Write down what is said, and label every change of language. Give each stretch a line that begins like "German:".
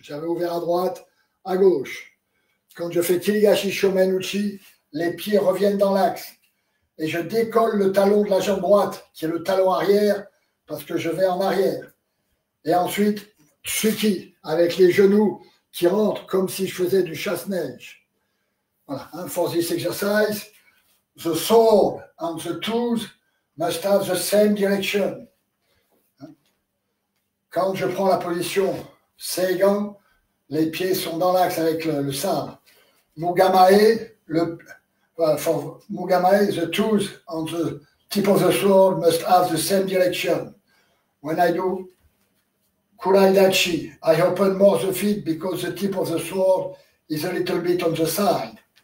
French: J'avais ouvert à droite, à gauche. Quand je fais Kirigashi Shomenuchi, les pieds reviennent dans l'axe. Et je décolle le talon de la jambe droite, qui est le talon arrière, parce que je vais en arrière. Et ensuite, Tsuki, avec les genoux qui rentrent comme si je faisais du chasse-neige.
English: Voilà, for this exercise, the sole and the toes must have the same direction.
French: Quand je prends la position Seigan, les pieds sont dans l'axe avec le sabre.
English: Mugamae, for Mugamae, the tools on the tip of the sword must have the same direction. When I do Kuraidachi, I open more the feet because the tip of the sword is a little bit on the side.